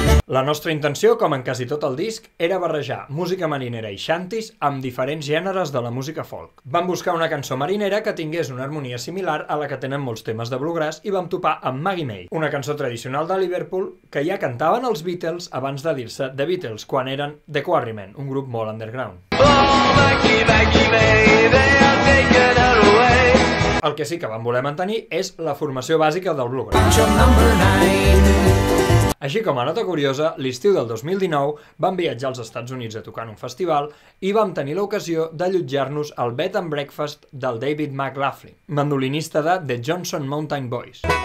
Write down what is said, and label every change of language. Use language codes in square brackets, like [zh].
[ca] La nostra intenció, com en quasi tot el disc, era barrejar música marinera i xantis amb diferents gèneres de la música folk. Vam buscar una cançó marinera que tingués una harmonia similar a la que tenen molts temes de bluegrass i vam topar amb Maggie May, una cançó tradicional de Liverpool que ja cantaven els Beatles abans de dir-se The Beatles, quan eren The Quarrymen, un grup molt underground. [en] Oh, Maggie, Maggie May, they are taking her away. [ca] El que sí que vam voler mantenir és la formació bàsica del bluegrass. Així com a nota curiosa, l'estiu del 2019 vam viatjar als Estats Units a tocar en un festival i vam tenir l'ocasió d'allotjar-nos al Bed and Breakfast del David McLaughlin, mandolinista de The Johnson Mountain Boys.